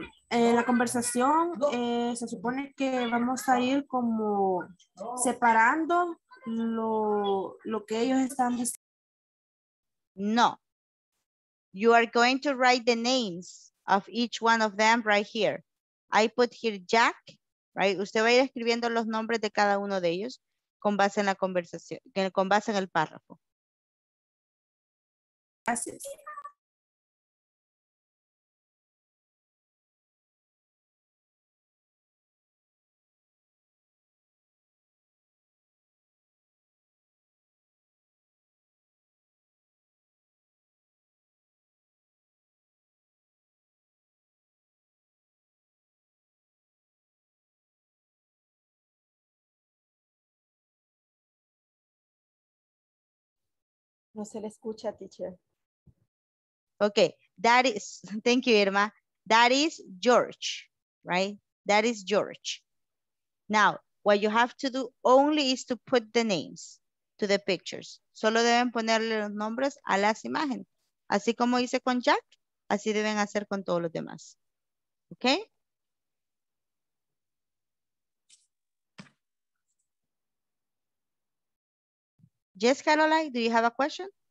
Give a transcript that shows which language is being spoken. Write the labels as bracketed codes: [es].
[es] La conversación se supone que vamos a ir como separando lo que ellos están diciendo. No. [en] You are going to write the names of each one of them right here. I put here Jack, right? [es] Usted va a ir escribiendo los nombres de cada uno de ellos con base en la conversación, con base en el párrafo. Gracias. No se le escucha, teacher. [en] Okay, that is, thank you, Irma. That is George. right? That is George. Now, what you have to do only is to put the names to the pictures. [es] Solo deben ponerle los nombres a las imágenes. Así como hice con Jack, así deben hacer con todos los demás. [en] Okay? Yes, Caroline, do you have a question?